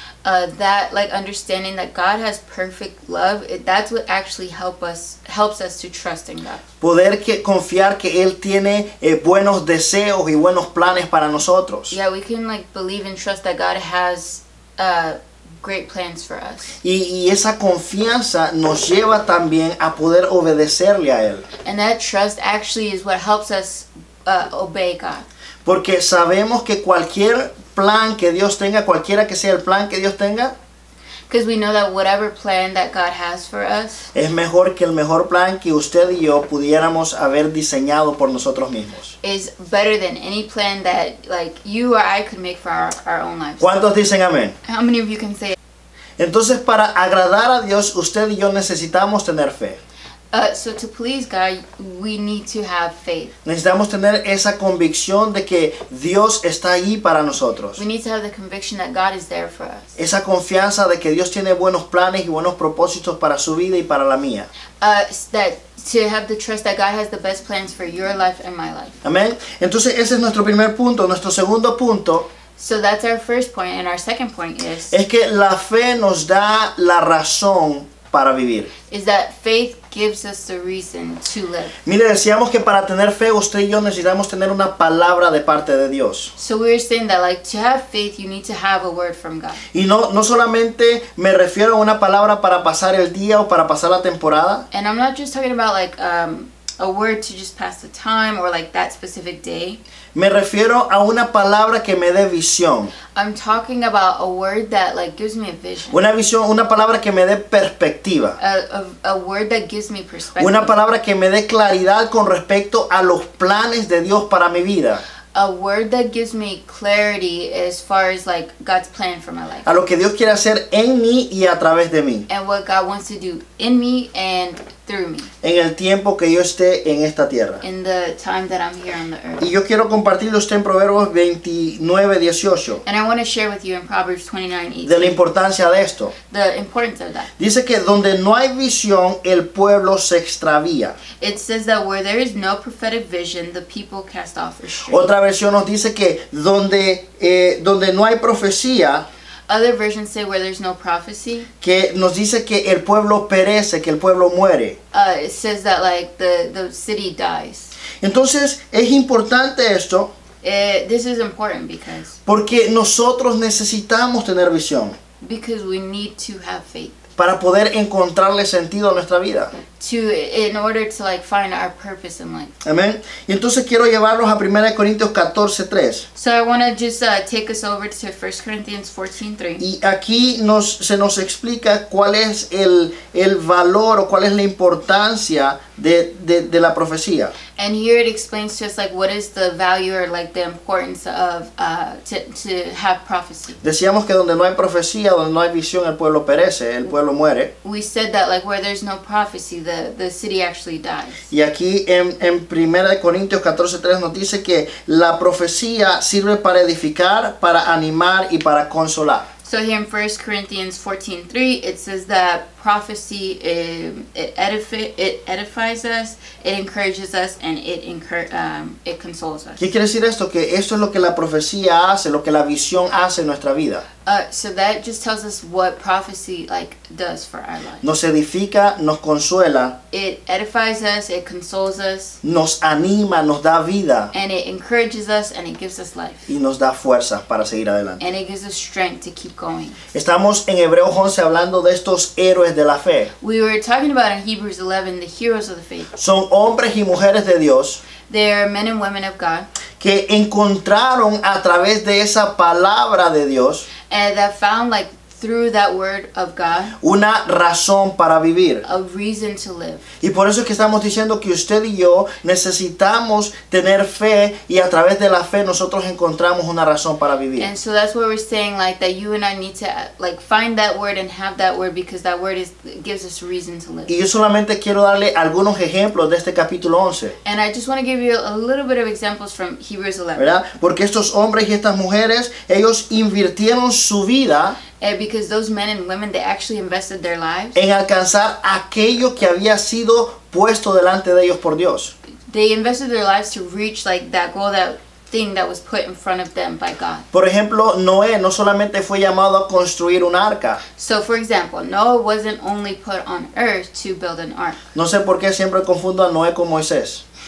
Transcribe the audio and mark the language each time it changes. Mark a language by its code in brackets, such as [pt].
[en] That, like, understanding that God has perfect love, that's what actually helps us to trust in God. [es] Poder confiar que Él tiene buenos deseos y buenos planes para nosotros. [en] Yeah, we can, like, believe and trust that God has great plans for us. [es] Y esa confianza nos lleva también a poder obedecerle a Él. [en] And that trust actually is what helps us obey God. [es] Porque sabemos que cualquier plan que Dios tenga, cualquiera que sea el plan que Dios tenga, [en] because we know that whatever plan that God has for us [es] es mejor que el mejor plan que usted y yo pudiéramos haber diseñado por nosotros mismos. [en] Is better than any plan that like you or I could make for our own lives. [es] ¿Cuántos dicen amén? [en] How many of you can say? [es] Entonces, para agradar a Dios, usted y yo necesitamos tener fe. [en] So to please God, we need to have faith. [es] Necesitamos tener esa convicción de que Dios está ahí para nosotros. [en] We need to have the conviction that God is there for us. [es] Esa confianza de que Dios tiene buenos planes y buenos propósitos para su vida y para la mía. [en] To have the trust that God has the best plans for your life and my life. [es] Amén. Entonces, ese es nuestro primer punto. Nuestro segundo punto. [en] So that's our first point, and our second point is. [es] Es que la fe nos da la razón para vivir. [en] Is that faith gives us the reason to live. [es] Mire, decíamos que para tener fe, usted y yo necesitamos tener una palabra de parte de Dios. [en] So we were saying that, like, to have faith, you need to have a word from God. [es] Y no solamente me refiero a una palabra para pasar el día o para pasar la temporada. [en] And I'm not just talking about, like, a word to just pass the time or, like, that specific day. [es] Me refiero a una palabra que me dé visión. [en] I'm talking about a word that, like, gives me a vision. [es] Una visión, una palabra que me dé perspectiva. [en] A word that gives me perspective. [es] Una palabra que me dé claridad con respecto a los planes de Dios para mi vida. [en] A word that gives me clarity as far as, like, God's plan for my life. [es] A lo que Dios quiere hacer en mí y a través de mí. [en] And what God wants to do in me and through me. [es] En el tiempo que yo esté en esta tierra. [en] In the time that I'm here on the earth. [es] Y yo quiero compartirle usted en Proverbios 29:18. [en] And I want to share with you in Proverbs 29:18. [es] De la importancia de esto. [en] The importance of that. [es] Dice que donde no hay visión, el pueblo se extravía. [en] It says that where there is no prophetic vision, the people cast off astray. [es] Otra versión nos dice que donde no hay profecía. [en] Other versions say where there's no prophecy. [es] Que nos dice que el pueblo perece, que el pueblo muere. [en] It says that, like, the city dies. [es] Entonces, es importante esto. [en] This is important because. [es] Porque nosotros necesitamos tener visión. [en] Because we need to have faith. [es] Para poder encontrarle sentido a nuestra vida. [en] In order to, like, find our purpose in life. [es] Amén. Y entonces quiero llevarlos a 1 Corintios 14:3. [en] So I want to just take us over to 1 Corinthians 14:3. [es] Y aquí se nos explica cuál es el valor o cuál es la importancia de la profecía. [en] And here it explains to us, like, what is the value or, like, the importance of to have prophecy. [es] Decíamos que donde no hay profecía, donde no hay visión, el pueblo perece, el pueblo muere. [en] We said that, like, where there's no prophecy, the city actually dies. [es] Y aquí en 1 Corintios 14:3 nos dice que la profecía sirve para edificar, para animar y para consolar. [en] So here in 1 Corinthians 14:3 it says that prophecy it edifies us, it encourages us, and it consoles us. [es] ¿Qué quiere decir esto? Que esto es lo que la profecía hace, lo que la visión hace en nuestra vida. [en] So that just tells us what prophecy, like, does for our life. [es] Nos edifica, nos consuela. [en] It edifies us, it consoles us. [es] Nos anima, nos da vida. [en] And it encourages us and it gives us life. [es] Y nos da fuerza para seguir adelante. [en] And it gives us strength to keep going. [es] Estamos en Hebreos 11 hablando de estos héroes de la fe. [en] We were talking about in Hebrews 11 the heroes of the faith. [es] Son hombres y mujeres de Dios. [en] They are men and women of God. [es] Que encontraron a través de esa palabra de Dios. [en] And that found, like, through that word of God, [es] una razón para vivir. [en] A reason to live. [es] Y por eso es que estamos diciendo que usted y yo necesitamos tener fe, y a través de la fe nosotros encontramos una razón para vivir. [en] And so that's what we're saying, like, that you and I need to, like, find that word and have that word, because that word gives us reason to live. [es] Y yo solamente quiero darle algunos ejemplos de este capítulo 11. [en] And I just want to give you a little bit of examples from Hebrews 11. [es] ¿Verdad? Porque estos hombres y estas mujeres, ellos invirtieron su vida. [en] Because those men and women, they actually invested their lives [es] en alcanzar aquello que había sido puesto delante de ellos por Dios. [en] They invested their lives to reach, like, that goal, that thing that was put in front of them by God. [es] Por ejemplo, Noé no solamente fue llamado a construir un arca. [en] So, for example, Noah wasn't only put on earth to build an ark. [es] No sé por qué siempre confundo a Noé con Moisés.